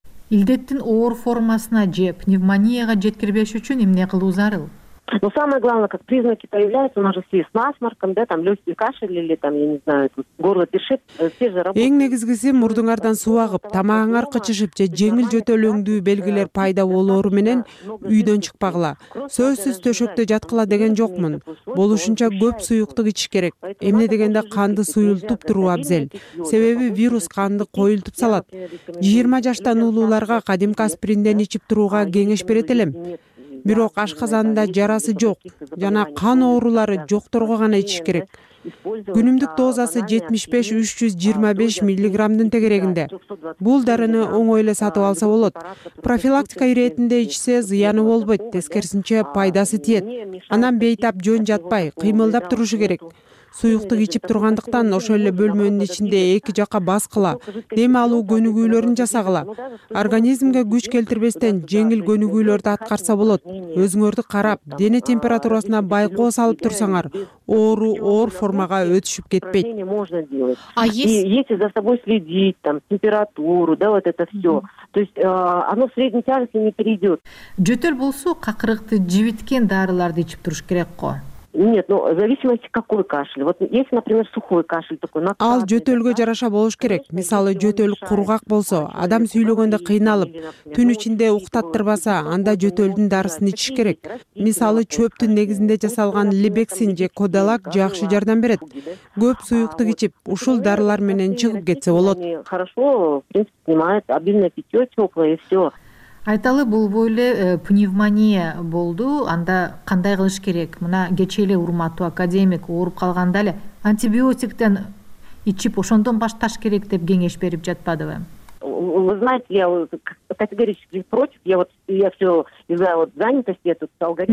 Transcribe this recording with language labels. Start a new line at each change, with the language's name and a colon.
Kyrgyz: Илдеттин оор формасына же пневмонияга жеткирбеш үчүн эмне кылуу зарыл?
Russian: Но самое главное, как признаки появляются, у нас же все с насморком, да, там легкий кашель или там, я не знаю, тут горло першит, все же работают.
Kyrgyz: Эң негизгиси мурдуңардан суу агып, тамагыңар кычышып же жеңил жөтөлөңдүү белгилер пайда болору менен үйдөн чыкпагыла. Сөзсүз төшөктө жаткыла деген жокмун. Болушунча көп суюктук ичиш керек. Эмне дегенде канды суюлтуп туруу абзел. Себеби вирус канды коюлтуп салат. 20 жаштан улууларга кадимки аспириндин ичип турууга кеңеш берет элем. Бирок ашказанында жарасы жок жана кан оорулары жокторго гана ичиш керек. Күнүмдүк дозасы 75-325 миллиграммдын тегерегинде. Бул дарыны оңой эле сатып алса болот. Профилактика иретинде ичсе зыяны болбойт, тескерисинче пайдасы тиет. Анан бейтап жөн жатпай, кыймылдап турушу керек. Суюктук ичип тургандыктан ошол эле бөлмөнүн ичинде эки жака баскыла, дем алуу көнүгүүлөрүн жасагыла. Организмге күч келтирбестен жеңил көнүгүүлөрдү аткарса болот. Өзүңөрдү карап, дене температурасына байкоо салып турсаңар, оору оор формага өтүшүп кетпейт.
Russian: А если за собой следить, там, температуру, да, вот это все. То есть оно в средней тяжести не перейдет.
Kyrgyz: Жөтөл болсо какырыкты жибиткен дарыларды ичип туруш керек ко.
Russian: Нет, ну, в зависимости какой кашель. Вот если, например, сухой кашель такой,
Kyrgyz: на ал жөтөлгө жараша болуш керек. Мисалы, жөтөл кургак болсо, адам сүйлөгөндө кыйналып, түн ичинде уктаттырбаса, анда жөтөлдүн дарысын ичиш керек. Мисалы, чөптүн негизинде жасалган либексин же кодалак жакшы жардам берет. Көп суюктук ичип, ушул дарылар менен чыгып кетсе болот.
Russian: Хорошо, в принципе, снимает обильное питьё, тёплое и всё.
Kyrgyz: Айталы, бул бой эле пневмония болду, анда кандай кылыш керек? Мына кечээ эле урматтуу академик ооруп калганда эле антибиотиктен ичип ошондон башташ керек деп кеңеш берип жатпадыбы?
Russian: Вы знаете, я категорически против. Я все из-за вот занятости я тут стал говорить.